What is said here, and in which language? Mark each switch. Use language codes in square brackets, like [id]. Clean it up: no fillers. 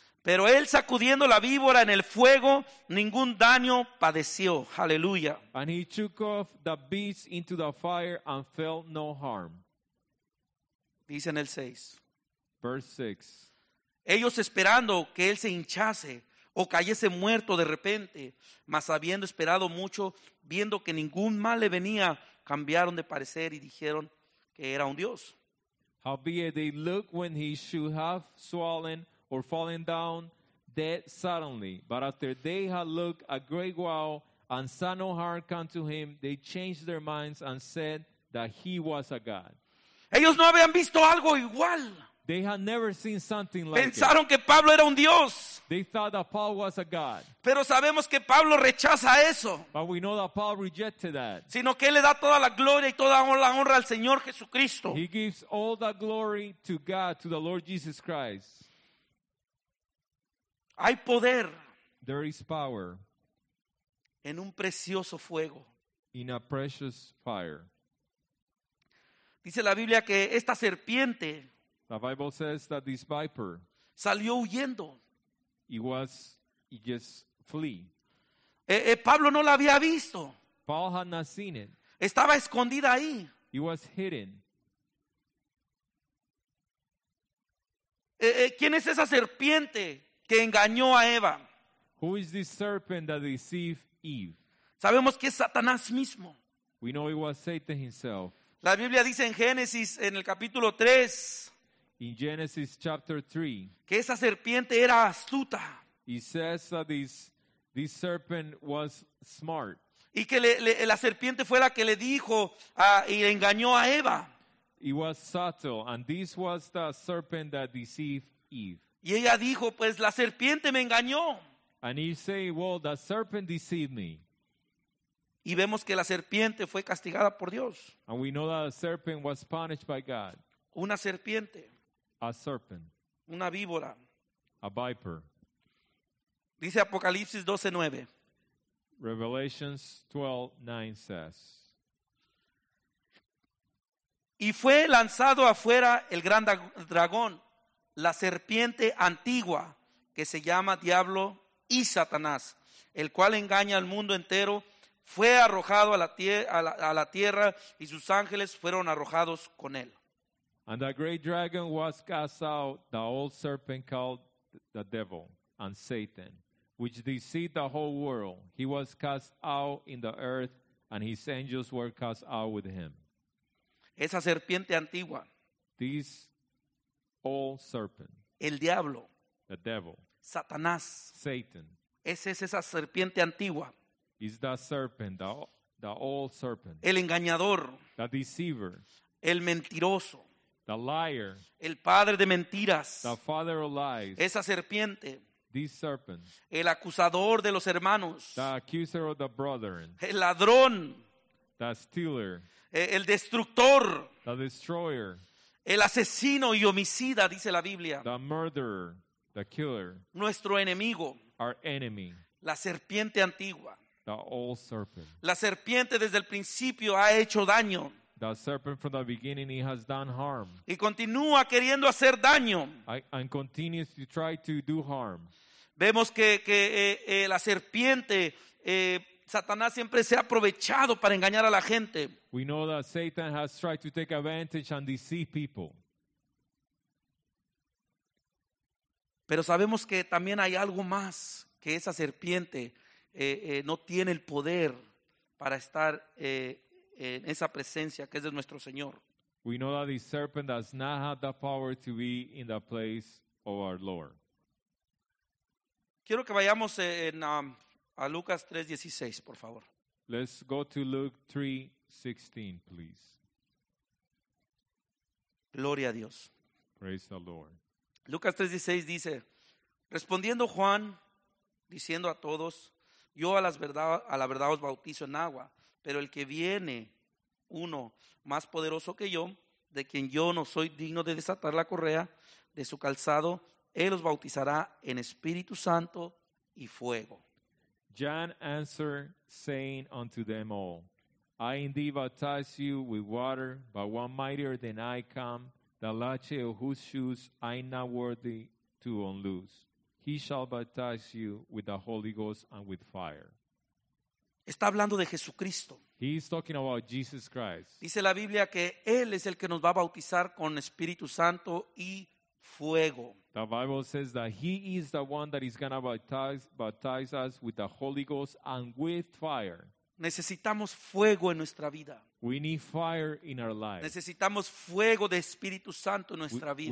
[es] Pero él sacudiendo la víbora en el fuego, ningún daño padeció. Aleluya. [en] And he shook off the beast into the fire and felt no harm. [es] Dice en el 6. [en] Verse 6. [es] Ellos esperando que él se hinchase o cayese muerto de repente, mas habiendo esperado mucho, viendo que ningún mal le venía, cambiaron de parecer y dijeron que era un dios. [en] Howbeit they looked when he should have swollen or fallen down dead suddenly, but after they had looked a great while and saw no harm come to him, they changed their minds and said that he was a god. [es] Ellos no habían visto algo igual. [en] They had never seen something like [es] Pensaron [en] it. [es] Que Pablo era un dios. [en] They thought that Paul was a god. [es] Pero sabemos que Pablo rechaza eso. [en] But we know that Paul rejected that. [es] Sino que él le da toda la gloria y toda la honra al Señor Jesucristo. [en] He gives all the glory to God, to the Lord Jesus Christ. [es] Hay poder. [en] There is power. [es] En un precioso fuego. [en] In a precious fire. [es] Dice la Biblia que esta serpiente. [en] The Bible says that this viper [es] salió huyendo. [en] He just flee. [es] Pablo no la había visto. [en] Paul had not seen it. [es] Estaba escondida ahí. [en] He was hidden. [es] ¿Quién es esa serpiente que engañó a Eva? [en] Who is this serpent that deceived Eve? [es] Sabemos que es Satanás mismo. [en] We know it was Satan himself. [es] La Biblia dice en Génesis, en el capítulo 3. [en] In Genesis chapter 3. [es] Que esa serpiente era astuta. [en] He says that this serpent was smart. [es] Y que la serpiente fue la que le dijo y engañó a Eva. [en] He was subtle, and this was the serpent that deceived Eve. [es] Y ella dijo, pues la serpiente me engañó. [en] And he say, well, the serpent deceived me. [es] Y vemos que la serpiente fue castigada por Dios. [en] And we know that the serpent was punished by God. [es] Una serpiente. [en] A serpent. [es] Una víbora. [en] A viper. [es] Dice Apocalipsis 12:9. [en] Revelations 12:9 says. [es] Y fue lanzado afuera el gran dragón, la serpiente antigua que se llama Diablo y Satanás, el cual engaña al mundo entero, fue arrojado a la tierra y sus ángeles fueron arrojados con él. [en] And that great dragon was cast out, the old serpent called the devil and Satan, which deceived the whole world. He was cast out in the earth and his angels were cast out with him. [es] Esa serpiente antigua. [en] This old serpent. [es] El diablo. [en] The devil. [es] Satanás. [en] Satan. [es] Ese es esa serpiente antigua. [en] Is that serpent, the old serpent. [es] El engañador. [en] The deceiver. [es] El mentiroso. [en] The liar. [es] El padre de mentiras. [en] The father of lies. [es] Esa serpiente. [en] This serpent. [es] El acusador de los hermanos. [en] The accuser of the brethren. [es] El ladrón. [en] The stealer. [es] El destructor. [en] The destroyer. [es] El asesino y homicida, dice la Biblia. [en] The murderer. The killer. [es] Nuestro enemigo. [en] Our enemy. [es] La serpiente antigua. [en] The old serpent. [es] La serpiente desde el principio ha hecho daño. [en] The serpent from the beginning, he has done harm. [es] Y continúa queriendo hacer daño. [en] And continues to try to do harm. [es] Vemos que la serpiente, Satanás siempre se ha aprovechado para engañar a la gente. [en] We know that Satan has tried to take advantage and deceive people. [es] Pero sabemos que también hay algo más que esa serpiente no tiene el poder para estar en esa presencia que es de nuestro Señor. [en] We know that the serpent does not have the power to be in the place of our Lord. [es] Quiero que vayamos a Lucas 3:16, por favor. [en] Let's go to Luke 3:16, please. [es] Gloria a Dios. [en] Praise the Lord. [es] Lucas 3:16 dice, respondiendo Juan, diciendo a todos, yo a la verdad os bautizo en agua, pero el que viene, uno más poderoso que yo, de quien yo no soy digno de desatar la correa de su calzado, él os bautizará en Espíritu Santo y fuego. [en] John answered, saying unto them all, I indeed baptize you with water, but one mightier than I come, the latchet of whose shoes I am not worthy to unloose. He shall baptize you with the Holy Ghost and with fire. [es] Está hablando de Jesucristo. [en] He is talking about Jesus Christ. [es] Dice la Biblia que Él es el que nos va a bautizar con Espíritu Santo y fuego. [en] The Bible says that He is the one that is going to baptize us with the Holy Ghost and with fire. [es] Necesitamos fuego en nuestra vida. [en] We need fire in our life. [es] Necesitamos fuego de Espíritu Santo en nuestra vida.